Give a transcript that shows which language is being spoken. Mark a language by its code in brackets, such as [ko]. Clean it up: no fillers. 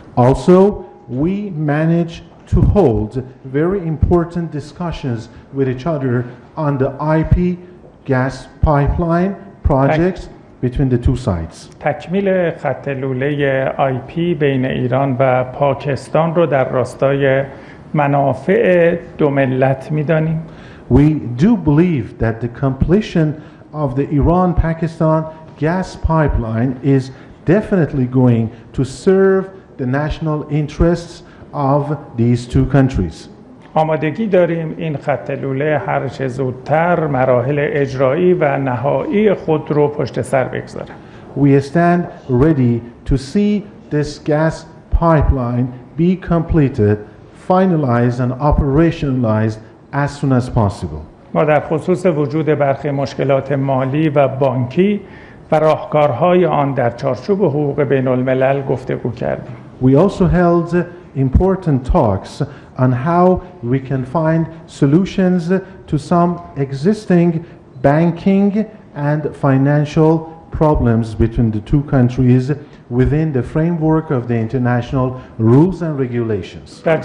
[en] Also, we managed to hold very important discussions with each other on the IP gas pipeline projects between the two sides. [fa] تکمیل خط لوله IP بین ایران و پاکستان رو در راستای منافع دو ملت می‌دانیم. [en] We do believe that the completion of the Iran-Pakistan gas pipeline is definitely going to serve the national interests of these two countries. [fa] آمادگی داریم این خط لوله هر چه زودتر مراحل اجرایی و نهایی خود رو پشت سر بگذاره. [en] We stand ready to see this gas pipeline be completed, finalized and operationalized as soon as possible. [fa] ما در خصوص وجود برخی مشکلات مالی و بانکی و راهکارهای آن در چارچوب حقوق بین الملل گفتگو کردیم. [en] We also held important talks on how we can find solutions to some existing banking and financial problems between the two countries within the framework of the international rules and regulations.